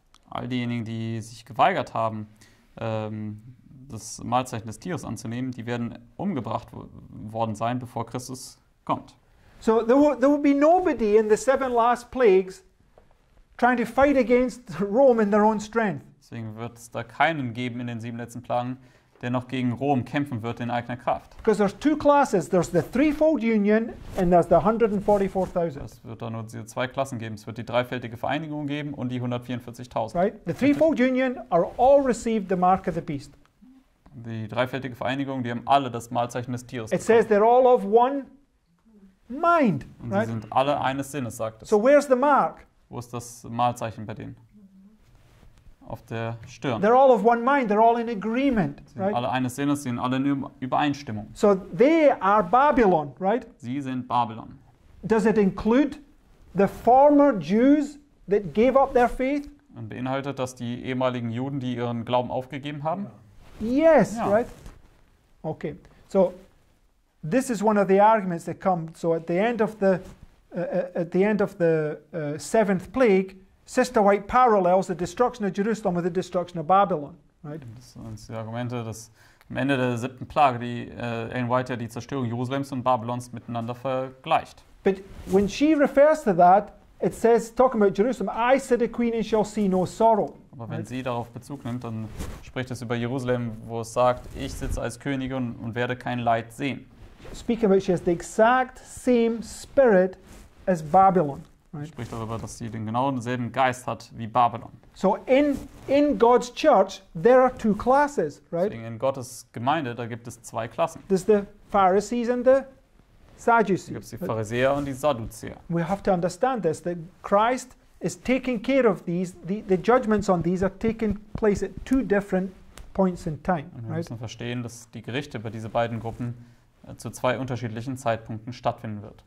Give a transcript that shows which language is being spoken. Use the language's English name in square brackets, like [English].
[German] All diejenigen, die sich geweigert haben, das Malzeichen des Tieres anzunehmen, die werden umgebracht worden sein, bevor Christus kommt. [English] So there will be nobody in the 7 last plagues trying to fight against Rome in their own strength. [German] Deswegen wird es da keinen geben in den 7 letzten Plagen, der noch gegen Rom kämpfen wird in eigener Kraft. [English] Because there's two classes, there's the threefold union and there's the 144,000. [German] Es wird da nur diese zwei Klassen geben. Es wird die dreifältige Vereinigung geben und die 144,000. [English] Right? The threefold union are all received the mark of the beast. [German] Die dreifältige Vereinigung, die haben alle das Malzeichen des Tieres. [English] It says they're all of one mind. [German] Und sie sind alle eines Sinnes, sagt es. [English] So where's the mark? [German] Wo ist das Malzeichen bei denen? Auf der Stirn. [English] They're all of one mind. They're all in agreement. [German] Sie sind alle eines Sinnes. Sie sind alle in Übereinstimmung. [English] So they are Babylon, right? [German] Sie sind Babylon. [English] Does it include the former Jews that gave up their faith? [German] Und beinhaltet das die ehemaligen Juden, die ihren Glauben aufgegeben haben? [English] Yes, yeah. Right? Okay, so this is one of the arguments that come. So at the end of the at the end of the seventh plague, Sister White parallels the destruction of Jerusalem with the destruction of Babylon, right? [German] Das sind die Argumente, dass am Ende der siebten Plage die Ellen White ja die Zerstörung Jerusalems und Babylons miteinander vergleicht. [English] But when she refers to that, it says, talking about Jerusalem, I said a queen and shall see no sorrow. [German] Aber wenn sie darauf Bezug nimmt, dann spricht es über Jerusalem, wo es sagt, ich sitze als Königin und werde kein Leid sehen. [English] Speaking about, she has the exact same spirit as Babylon. Right? [German] Spricht darüber, dass sie den genauen selben Geist hat wie Babylon. [English] So in God's church, there are two classes, right? [German] Deswegen in Gottes Gemeinde, da gibt es zwei Klassen. [English] There's the Pharisees and the Sadducees. [German] Da gibt es die Pharisäer und die Sadduzäer. [English] We have to understand this, that Christ is taking care of these, the judgments on these are taking place at two different points in time. [German] Und wir müssen verstehen, dass die Gerichte über diese beiden Gruppen zu zwei unterschiedlichen Zeitpunkten stattfinden wird.